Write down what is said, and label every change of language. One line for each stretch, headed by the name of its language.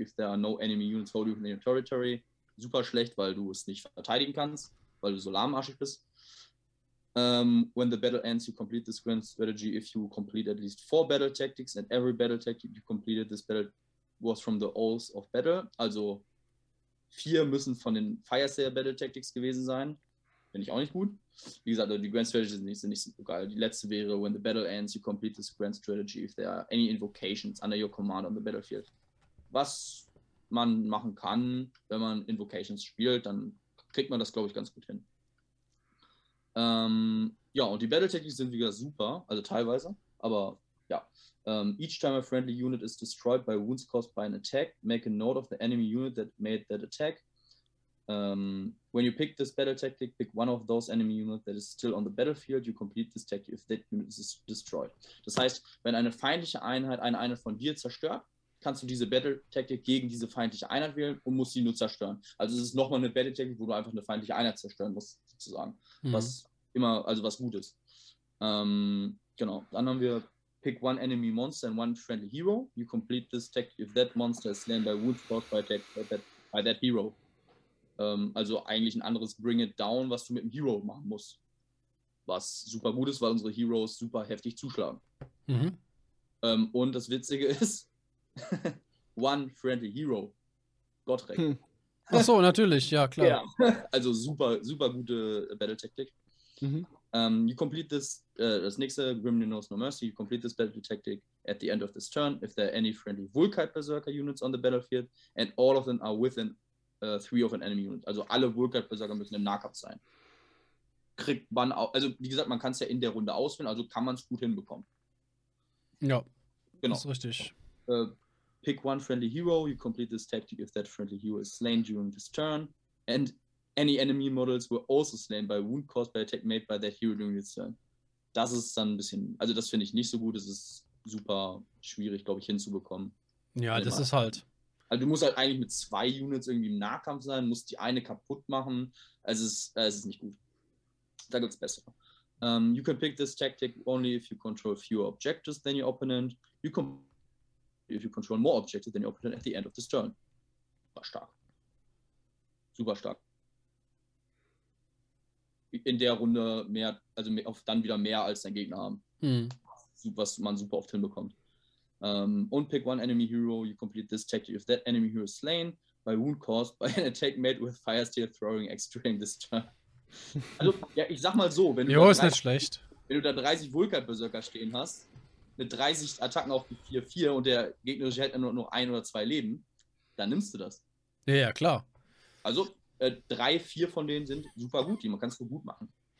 English: If there are no enemy units holding you in your territory.
German: Super schlecht, weil du es nicht verteidigen kannst, weil du so lahmarschig bist.
English: When the battle ends, you complete this grand strategy. If you complete at least four battle tactics and every battle tactic you completed, this battle was from the Oath of Battle.
German: Also. Vier müssen von den Fireslayer Battle Tactics gewesen sein. Finde ich auch nicht gut. Wie gesagt, die Grand Strategy sind nicht so geil. Die letzte wäre,
English: when the battle ends, you complete this Grand Strategy if there are any invocations under your command on the battlefield.
German: Was man machen kann, wenn man Invocations spielt, dann kriegt man das, glaube ich, ganz gut hin. Ja, und die Battle Tactics sind wieder super, also teilweise, aber.
English: Ja, each time a friendly unit is destroyed by wounds caused by an attack, make a note of the enemy unit that made that attack. When you pick this battle tactic, pick one of those enemy units that is still on the battlefield, you complete this tactic if that unit is destroyed.
German: Das heißt, wenn eine feindliche Einheit eine Einheit von dir zerstört, kannst du diese battle tactic gegen diese feindliche Einheit wählen und musst sie nur zerstören. Also es ist nochmal eine battle tactic, wo du einfach eine feindliche Einheit zerstören musst, sozusagen. Was immer, also was gut ist. Genau, dann haben wir.
English: Pick one enemy monster and one friendly hero. You complete this tactic if that monster is slain by wounds caused by that hero.
German: Also eigentlich ein anderes Bring it down, was du mit dem Hero machen musst. Was super gut ist, weil unsere Heroes super heftig zuschlagen. Und das Witzige ist,
English: one friendly hero.
German: Gottrek. Ach so, natürlich, ja, klar. Ja, also super, super gute Battle-Taktik.
English: You complete this,
German: das nächste,
English: Grimly Knows No Mercy, you complete this battle tactic at the end of this turn, if there are any friendly Vulkite Berserker units on the battlefield, and all of them are within three of an enemy unit.
German: Also alle Vulkite Berserker müssen im Nahkampf sein. Kriegt man auch, also wie gesagt, man kann es ja in der Runde auswählen, also kann man es gut hinbekommen. Ja, ist Genau. richtig.
English: Pick one friendly hero, you complete this tactic if that friendly hero is slain during this turn, and any enemy models were also slain by wound caused by attack made by that hero during its turn.
German: Das ist dann ein bisschen, also das finde ich nicht so gut. Das ist super schwierig, glaube ich, hinzubekommen Ja, in den das ist meisten. halt. Also du musst halt eigentlich mit zwei Units irgendwie im Nahkampf sein, musst die eine kaputt machen. Es ist nicht gut. Da gibt es bessere.
English: You can pick this tactic only if you control fewer objectives than your opponent. If you control more objectives than your opponent at the end of this turn.
German: War stark. Super stark. In der Runde mehr, also mehr, dann wieder mehr als dein Gegner haben. Was man super oft hinbekommt.
English: Und pick one enemy hero, you complete this tactic if that enemy hero is slain by wound caused by an attack made with fire steel throwing extreme this turn.
German: Also, ja, ich sag mal so, wenn du, jo, 30, ist nicht schlecht. Wenn du da 30 Vulkan-Berserker stehen hast, mit 30 Attacken auf die 4-4 und der gegnerische hält nur ein oder zwei Leben, dann nimmst du das. Ja, ja, klar. Also, 3-4 von denen sind super gut, die man kann es so gut machen.